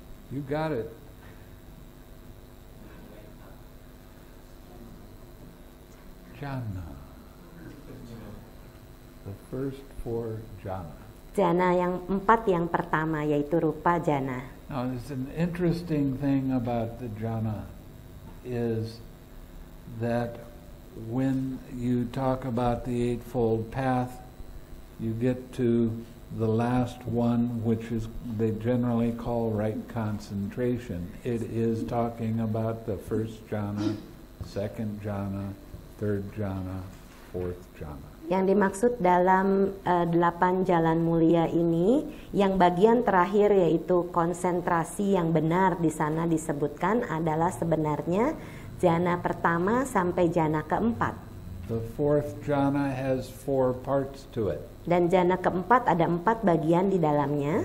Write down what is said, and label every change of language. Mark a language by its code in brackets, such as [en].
[en] You got it. Jhana. The first four jhana. [id] Jhana yang empat yang pertama yaitu rupa jhana. [en] Now, it's an interesting thing about the jhana is that when you talk about the Eightfold Path, you get to the last one, which is they generally call right concentration. It is talking about the first jhana, second jhana, third jhana, fourth jhana. [id] Yang dimaksud dalam delapan jalan mulia ini, yang bagian terakhir yaitu konsentrasi yang benar di sana disebutkan adalah sebenarnya jhana pertama sampai jhana keempat. [en] The fourth jhana has four parts to it. [id] Dan jhana keempat ada empat bagian di dalamnya.